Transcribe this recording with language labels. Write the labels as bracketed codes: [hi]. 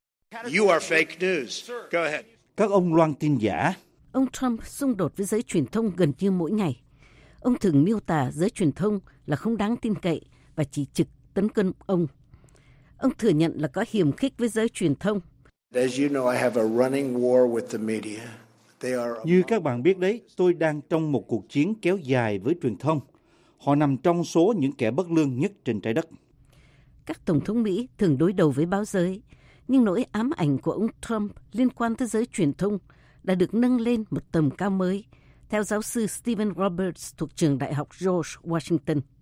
[en] You are fake news. Go ahead. [vi] Các ông loan tin giả. Ông Trump xung đột với giới truyền thông gần như mỗi ngày. Ông thường miêu tả giới truyền thông là không đáng tin cậy và chỉ trực tấn công ông. Ông thừa nhận là có hiềm khích với giới truyền thông. [en] As you know, I have a running war with the media. [vi] Như các bạn biết đấy, tôi đang trong một cuộc chiến kéo dài với truyền thông. Họ nằm trong số những kẻ bất lương nhất trên trái đất. Các tổng thống Mỹ thường đối đầu với báo giới, nhưng nỗi ám ảnh của ông Trump liên quan tới giới truyền thông đã được nâng lên một tầm cao mới, theo giáo sư Stephen Roberts thuộc trường Đại học George Washington.